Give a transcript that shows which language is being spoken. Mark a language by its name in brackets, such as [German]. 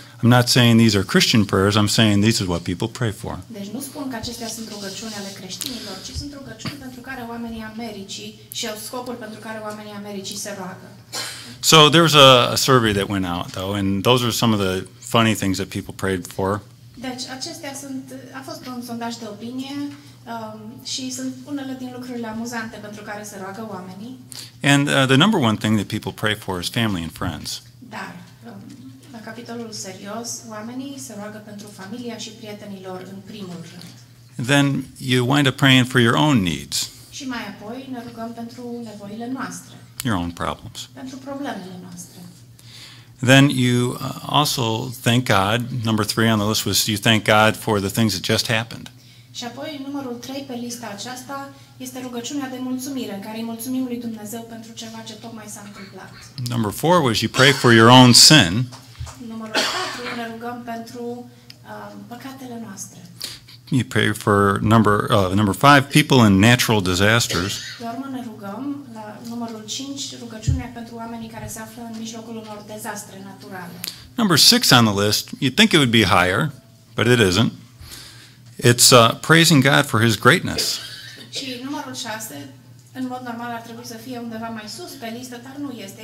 [English] I'm not saying these are Christian prayers, I'm saying these are what people pray for. [Romanian] Deci nu spun că acestea sunt rugăciuni ale creștinilor, ci sunt rugăciuni pentru care oamenii Americii și au scopul pentru care oamenii Americii se roagă. [English] So there was a survey that went out though, and those are some of the funny things that people prayed for. [Romanian] Deci acestea sunt, a fost un sondaj de opinie, și sunt unele din lucrurile amuzante pentru care se roagă oamenii. [English] And the number one thing that people pray for is family and friends. [Romanian] Dar, la capitolul serios, oamenii se roagă pentru familia și prietenii lor în primul rând. [English] Then you wind up praying for your own needs. [Romanian] Și mai apoi ne rugăm pentru nevoile noastre. [English] Your own problems. [Romanian] Pentru problemele noastre. [English] Then you also thank God. Number three on the list was you thank God for the things that just happened. [Romanian] Și apoi numărul 3 pe lista aceasta este rugăciunea de mulțumire, în care îi mulțumim lui Dumnezeu pentru ceva ce tocmai s-a întâmplat. [English] Number 4 was you pray for your own sin. [Romanian] Numărul 4 ne rugăm pentru păcatele noastre. [English] You pray for number 5 people in natural disasters. [Romanian] La urmă ne rugăm la numărul 5 rugăciunea pentru oamenii care se află în mijlocul unor dezastre naturale. [English] Number 6 on the list, you think it would be higher, but it isn't. It's praising God for his greatness. [Romanian] Și numărul 6 în mod normal ar trebui să fie undeva mai sus pe listă, dar nu este.